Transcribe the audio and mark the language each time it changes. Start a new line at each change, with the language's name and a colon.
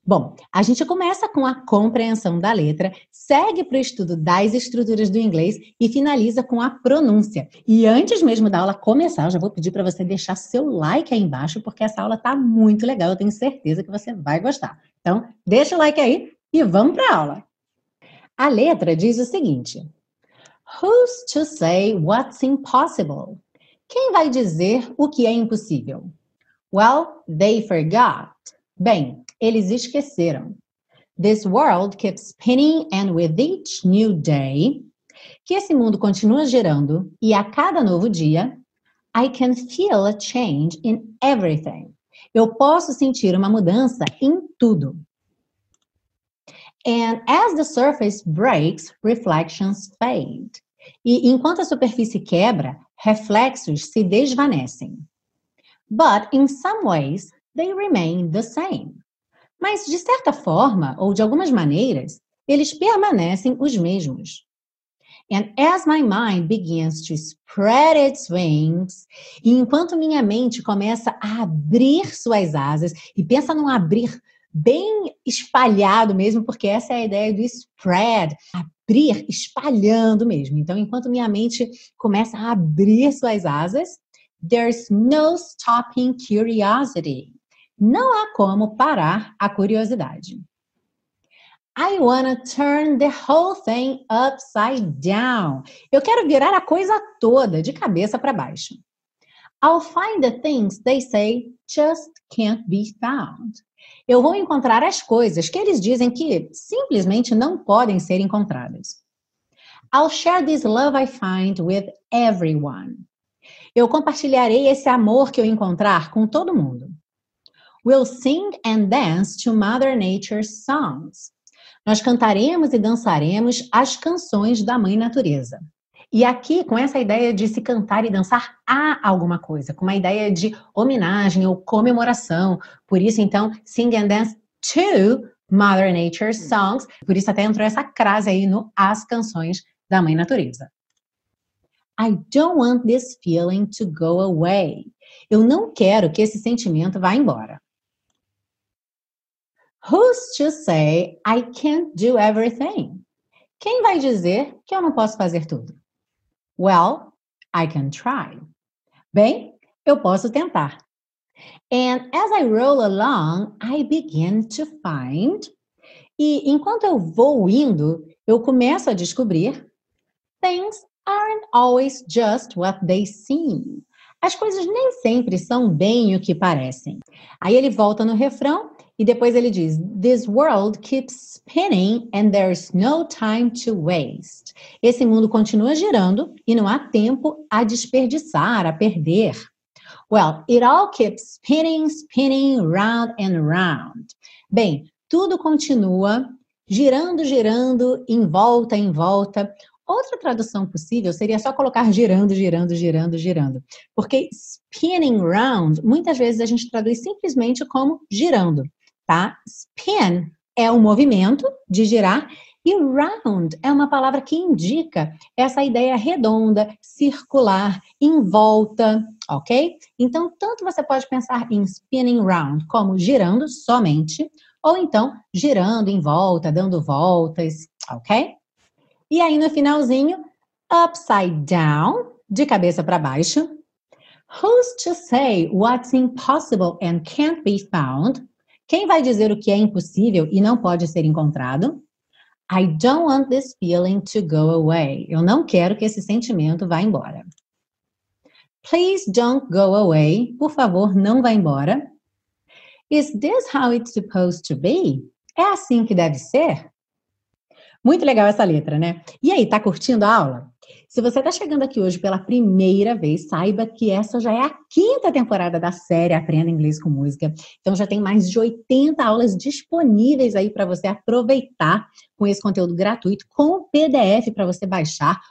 Portuguese: Bom, a gente começa com a compreensão da letra, segue para o estudo das estruturas do inglês e finaliza com a pronúncia. E antes mesmo da aula começar, eu já vou pedir para você deixar seu like aí embaixo, porque essa aula tá muito legal, eu tenho certeza que você vai gostar. Então, deixa o like aí e vamos para a aula. A letra diz o seguinte...
English: Who's to say what's impossible?
Portuguese: Quem vai dizer o que é impossível?
English: Well, they forgot.
Portuguese: Bem, eles esqueceram.
English: This world keeps spinning and with each new day.
Portuguese: Que esse mundo continua girando e a cada novo dia.
English: I can feel a change in everything.
Portuguese: Eu posso sentir uma mudança em tudo.
English: And as the surface breaks, reflections fade.
Portuguese: E enquanto a superfície quebra, reflexos se desvanecem.
English: But in some ways, they remain the same.
Portuguese: Mas de certa forma, ou de algumas maneiras, eles permanecem os mesmos.
English: And as my mind begins to spread its wings,
Portuguese: e enquanto minha mente começa a abrir suas asas, e pensa num abrir bem espalhado mesmo, porque essa é a ideia do spread, abrir, espalhando mesmo. Então, enquanto minha mente começa a abrir suas asas,
English: there's no stopping curiosity.
Portuguese: Não há como parar a curiosidade.
English: I wanna turn the whole thing upside down.
Portuguese: Eu quero virar a coisa toda de cabeça para baixo.
English: I'll find the things they say just can't be found.
Portuguese: Eu vou encontrar as coisas que eles dizem que simplesmente não podem ser encontradas.
English: I'll share this love I find with everyone.
Portuguese: Eu compartilharei esse amor que eu encontrar com todo mundo.
English: We'll sing and dance to Mother Nature's songs.
Portuguese: Nós cantaremos e dançaremos as canções da Mãe Natureza. E aqui, com essa ideia de se cantar e dançar a alguma coisa, com uma ideia de homenagem ou comemoração. Por isso, então,
English: sing and dance to Mother Nature's songs.
Portuguese: Por isso até entrou essa crase aí no As Canções da Mãe Natureza.
English: I don't want this feeling to go away.
Portuguese: Eu não quero que esse sentimento vá embora.
English: Who's to say I can't do everything?
Portuguese: Quem vai dizer que eu não posso fazer tudo?
English: Well, I can try.
Portuguese: Bem, eu posso tentar.
English: And as I roll along, I begin to find.
Portuguese: E enquanto eu vou indo, eu começo a descobrir.
English: Things aren't always just what they seem.
Portuguese: As coisas nem sempre são bem o que parecem. Aí ele volta no refrão e depois ele diz,
English: this world keeps spinning and there's no time to waste.
Portuguese: Esse mundo continua girando e não há tempo a desperdiçar, a perder.
English: Well, it all keeps spinning, spinning, round and round.
Portuguese: Bem, tudo continua girando, girando, em volta, em volta. Outra tradução possível seria só colocar girando, girando, girando, girando. Porque spinning round, muitas vezes a gente traduz simplesmente como girando, tá? Spin é o movimento de girar e round é uma palavra que indica essa ideia redonda, circular, em volta, ok? Então, tanto você pode pensar em spinning round como girando somente, ou então girando em volta, dando voltas, ok? E aí no finalzinho, upside down, de cabeça para baixo.
English: Who's to say what's impossible and can't be found?
Portuguese: Quem vai dizer o que é impossível e não pode ser encontrado?
English: I don't want this feeling to go away.
Portuguese: Eu não quero que esse sentimento vá embora.
English: Please don't go away.
Portuguese: Por favor, não vá embora.
English: Is this how it's supposed to be?
Portuguese: É assim que deve ser? Muito legal essa letra, né? E aí, tá curtindo a aula? Se você tá chegando aqui hoje pela primeira vez, saiba que essa já é a quinta temporada da série Aprenda Inglês com Música. Então já tem mais de 80 aulas disponíveis aí para você aproveitar com esse conteúdo gratuito, com o PDF para você baixar.